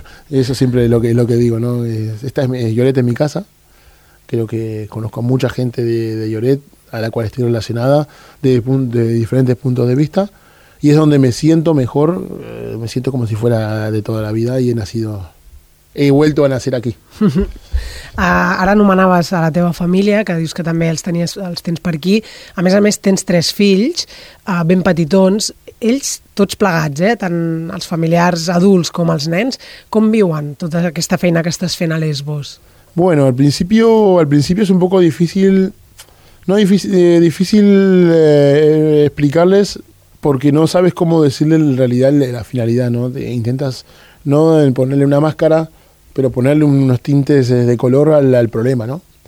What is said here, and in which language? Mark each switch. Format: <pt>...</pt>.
<es>Eso siempre es lo que digo, ¿no? Lloret es mi casa. Creo que conozco a mucha gente de Lloret, a la cual estoy relacionada, de diferentes puntos de vista. Y es donde me siento mejor, me siento como si fuera de toda la vida y he nacido. he vuelto a nacer aquí.</es> <ca>Ara anomenaves a la teva família, que dius que també els tenies, els tens per aquí. A més, tens tres fills, ben petitons. Ells, tots plegats, tant els familiars adults com els nens, com viuen tota aquesta feina que estàs fent a Lesbos?</ca> <es>Bueno, al principio es un poco difícil, no difícil explicarles, porque no sabes cómo decirle en realidad la finalidad, ¿no? Intentas no ponerle una máscara, pero ponerle unos tintes de color al problema, ¿no?</es>